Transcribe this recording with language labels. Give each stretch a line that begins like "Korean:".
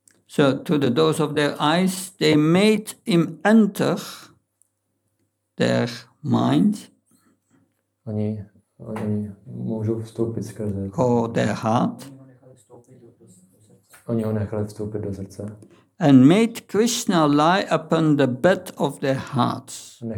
English: So through the doors of their eyes they made him enter their mind.
Czech: Oni můžou vstoupit skrze.
English: Or their heart.
Czech: Oni ho nechali vstoupit do srdce.
English: And made Krishna lie upon the bed of their hearts.